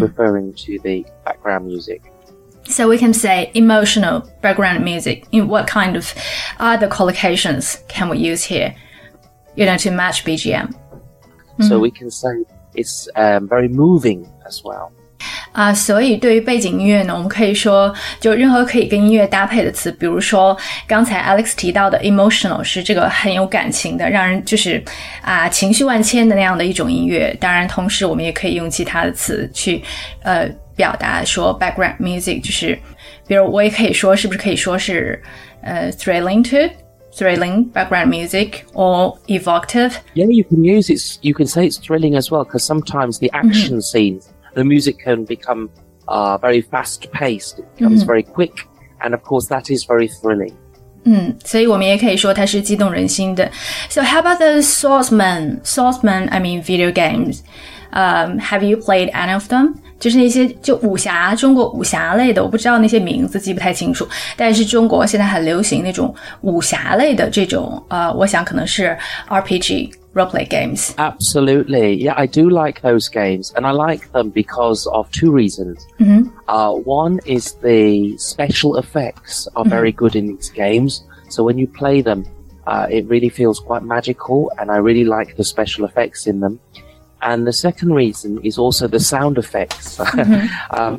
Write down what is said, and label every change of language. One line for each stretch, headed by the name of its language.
English: referring to the background music. So we can say emotional background music. In what kind of other collocations can we use here, you know, to match BGM?、Mm-hmm. So we can say it's、very moving as well.
Chinese: 所以对于背景音乐呢，我们可以说就任何可以跟音乐搭配的词，比如说刚才 Alex 提到的 emotional 是这个很有感情的，让人就是情绪万千的那样的一种音乐。当然同时我们也可以用其他的词去表达说 background music， 就是比如我也可以说是不是可以说是
English: thrilling background music or evocative。 Yeah, you can use it, you can say it's thrilling as well, because sometimes the action scenesThe music can become、very fast-paced, it becomes、mm-hmm. very quick, and of course that is very thrilling.
Chinese: 所以我们也可以说它是激动人心的。
English: So how about the swordsman, I mean video games,、have you played any of them?
Chinese: 就是那些就武侠，中国武侠类的，我不知道那些名字记不太清楚，但是中国现在很流行那种武侠类的这种、我想可能是 RPG.
English: Roleplay games. Absolutely. Yeah, I do like those games. And I like them because of two reasons.、 Mm-hmm. One is the special effects are、mm-hmm. very good in these games. So when you play them,、it really feels quite magical. And I really like the special effects in them. And the second reason is also the sound effects. 、mm-hmm.